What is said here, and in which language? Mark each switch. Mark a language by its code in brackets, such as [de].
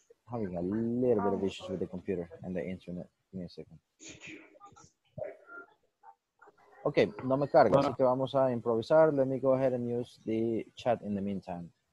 [en] Having a little bit of issues with the computer and the internet. Give me a second. [es] Okay, no me cargues, así que vamos a improvisar. [en] Let me go ahead and use the chat in the meantime.